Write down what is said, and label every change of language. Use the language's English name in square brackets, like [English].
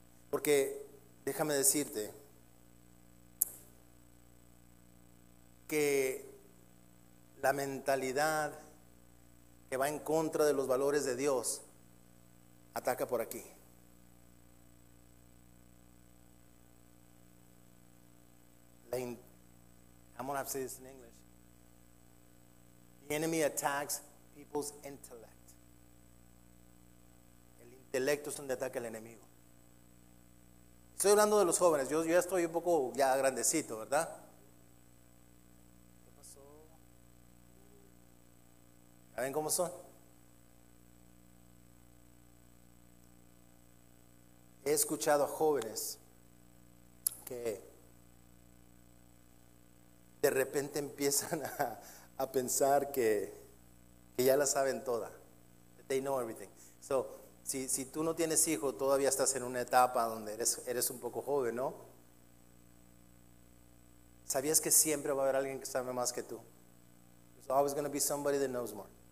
[Spanish] Porque déjame decirte que la mentalidad que va en contra de los valores de Dios ataca por aquí. [English] I'm going to have to say this in English. The enemy attacks people's intellect. [Spanish] El intelecto es donde ataca el enemigo. Estoy hablando de los jóvenes. Yo ya estoy un poco ya grandecito, ¿verdad? ¿Qué pasó? ¿Saben cómo son? He escuchado a jóvenes que de repente empiezan a pensar que ya la saben toda. [English] They know everything. [Spanish] So, si tú no tienes hijo, todavía estás en una etapa donde eres un poco joven, ¿no? ¿Sabías que siempre va a haber alguien que sabe más que tú? [English] There's always going to be somebody that knows more.